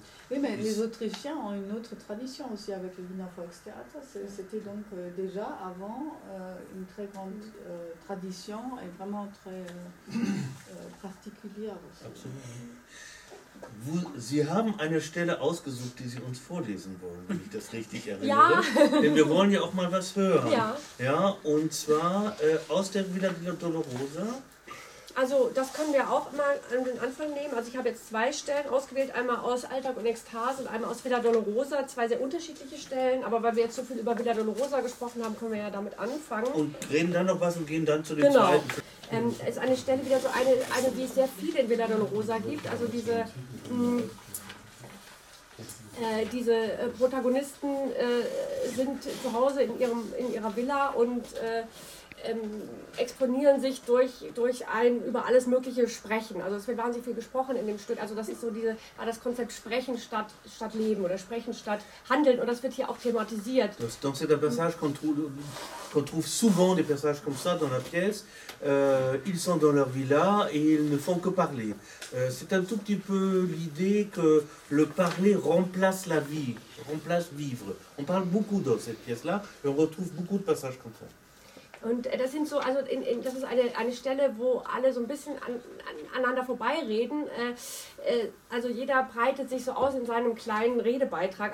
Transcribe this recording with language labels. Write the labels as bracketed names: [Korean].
[French] Mais les Autrichiens ont une autre tradition aussi avec le Wiener Volkstheater. C'était donc déjà avant une très grande tradition et vraiment très particulière aussi. Absolument. [German] Sie haben eine Stelle ausgesucht, die Sie uns vorlesen wollen, wenn ich das richtig erinnere. Ja. Denn wir wollen ja auch mal was hören. Ja. Ja, und zwar aus der Villa Dolorosa. Also das können wir auch mal an den Anfang nehmen. Also ich habe jetzt zwei Stellen ausgewählt, einmal aus Alltag und Ekstase und einmal aus Villa Dolorosa. Zwei sehr unterschiedliche Stellen, aber weil wir jetzt so viel über Villa Dolorosa gesprochen haben, können wir ja damit anfangen. Und reden dann noch was und gehen dann zu dem zweiten. Es ist eine Stelle wieder so eine, die es sehr viel in Villa Dolorosa gibt. Also diese, diese Protagonisten sind zu Hause in ihrer Villa und exponieren sich durch ein über alles mögliche Sprechen. Also es wird wahnsinnig viel gesprochen in dem Stück. Also das ist so diese, das Konzept Sprechen statt Leben oder Sprechen statt Handeln. Und das wird hier auch thematisiert. [French] Donc c'est un passage qu'on trouve souvent, des passages comme ça dans la pièce. Ils sont dans leur villa et ils ne font que parler. C'est un tout petit peu l'idée que le parler remplace la vie, remplace vivre. On parle beaucoup dans cette pièce-là et on retrouve beaucoup de passages comme ça. [German] Und das sind so, also das ist eine Stelle, wo alle so ein bisschen aneinander vorbeireden. Also jeder breitet sich so aus in seinem kleinen Redebeitrag.